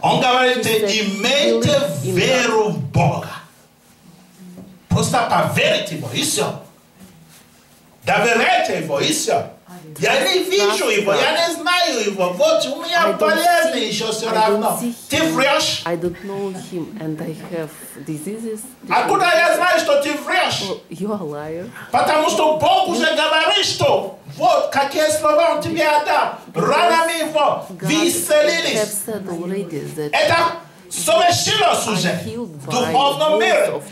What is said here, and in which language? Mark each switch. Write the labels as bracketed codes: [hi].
[ru] Он говорит, имейте веру в Бога. Просто поверьте Его, и все. Доверяйте Его, и все. Я не вижу Его, я не знаю Его. Вот у меня болезни еще все равно. Ты врешь? [en] I don't know Him and I have diseases. [ru] Откуда я знаю, что ты врешь? [en] Well, you are liar. [ru] Потому что Бог уже говорит, что вот какие слова Он тебе отдал. Ранами Его, вы исцелились. [en] Have said already that [ru] это совершилось уже в духовном мире.